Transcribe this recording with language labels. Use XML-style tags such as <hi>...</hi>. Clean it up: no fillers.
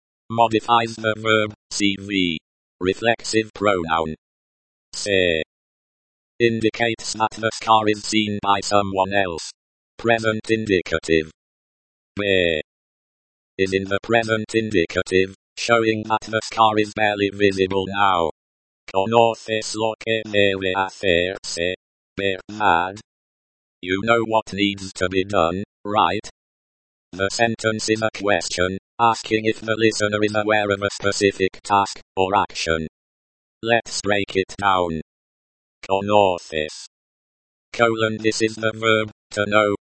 <en>Modifies the verb, cv. Reflexive pronoun. Se. Indicates that the scar is seen by someone else. Present indicative. Ve. Is in the present indicative, showing that the scar is barely visible now.</en> <es>Conoces lo que debe hacerse, ¿verdad?</es> <en>You know what needs to be done, right? The sentence is a question, asking if the listener is aware of a specific task or action. Let's break it down. Conoces. Colon, this is the verb, to know,</en>